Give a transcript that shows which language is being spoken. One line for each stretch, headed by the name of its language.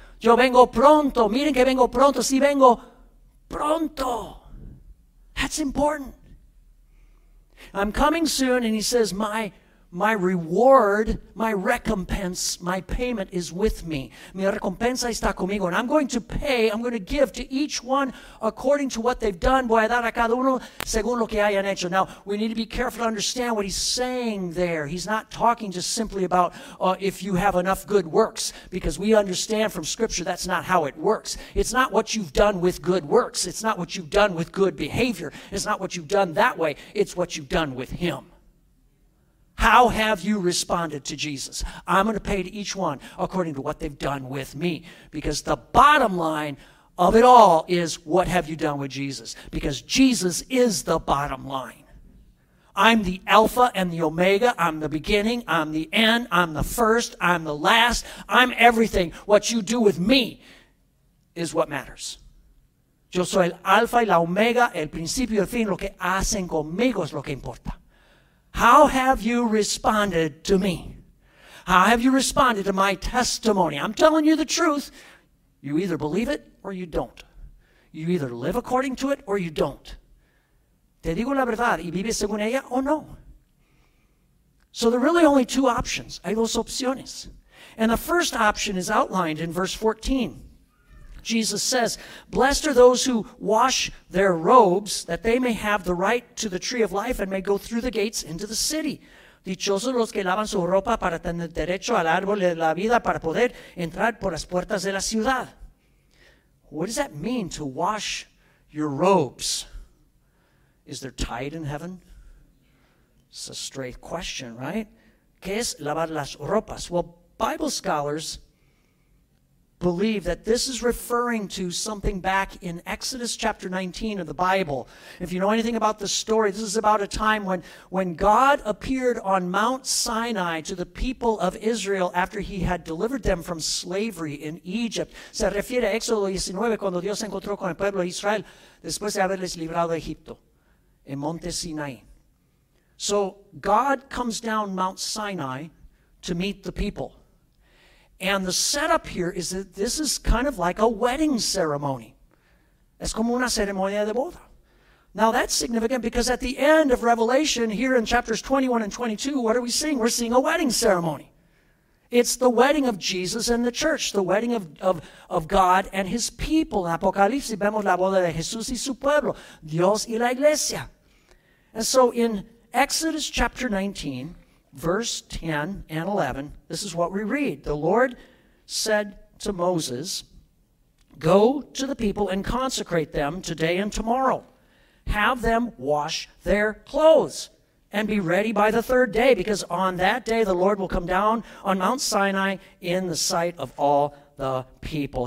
Spanish: Yo vengo pronto. Miren que vengo pronto. Si vengo pronto.
English: That's important. I'm coming soon, and he says, my reward, my recompense, my payment is with me.
Spanish: Mi recompensa está conmigo.
English: And I'm going to pay, I'm going to give to each one according to what they've done.
Spanish: Voy a dar a cada uno según lo que hayan hecho.
English: Now, we need to be careful to understand what he's saying there. He's not talking just simply about if you have enough good works, because we understand from Scripture that's not how it works. It's not what you've done with good works. It's not what you've done with good behavior. It's not what you've done that way. It's what you've done with him. How have you responded to Jesus? I'm going to pay to each one according to what they've done with me. Because the bottom line of it all is, what have you done with Jesus? Because Jesus is the bottom line. I'm the Alpha and the Omega. I'm the beginning. I'm the end. I'm the first. I'm the last. I'm everything. What you do with me is what matters.
Spanish: Yo soy el Alpha y la Omega, el principio y el fin. Lo que hacen conmigo es lo que importa.
English: How have you responded to me? How have you responded to my testimony? I'm telling you the truth. You either believe it or you don't. You either live according to it or you don't.
Spanish: Te digo la verdad, ¿y vives según ella o no?
English: So there are really only 2 options.
Spanish: Hay dos opciones.
English: And the first option is outlined in verse 14. Jesus says, blessed are those who wash their robes, that they may have the right to the tree of life and may go through the gates into the city.
Spanish: Dichosos los que lavan su ropa para tener derecho al árbol de la vida para poder entrar por las puertas de la ciudad.
English: What does that mean, to wash your robes? Is there tide in heaven? It's a straight question, right?
Spanish: ¿Qué es lavar las ropas?
English: Well, Bible scholars believe that this is referring to something back in Exodus chapter 19 of the Bible. If you know anything about the story, this is about a time when God appeared on Mount Sinai to the people of Israel after he had delivered them from slavery in Egypt.
Spanish: Se refiere a Éxodo 19, cuando Dios se encontró con el pueblo de Israel después de haberles librado de Egipto, en Monte Sinai.
English: So God comes down Mount Sinai to meet the people. And the setup here is that this is kind of like a wedding ceremony.
Spanish: Es como una ceremonia de boda.
English: Now that's significant because at the end of Revelation, here in chapters 21 and 22, what are we seeing? We're seeing a wedding ceremony. It's the wedding of Jesus and the church, the wedding of God and his people.
Spanish: En Apocalipsis vemos la boda de Jesús y su pueblo, Dios y la iglesia.
English: And so in Exodus chapter 19, verse 10 and 11, this is what we read. The Lord said to Moses, go to the people and consecrate them today and tomorrow. Have them wash their clothes and be ready by the third day, because on that day the Lord will come down on Mount Sinai in the sight of all the people.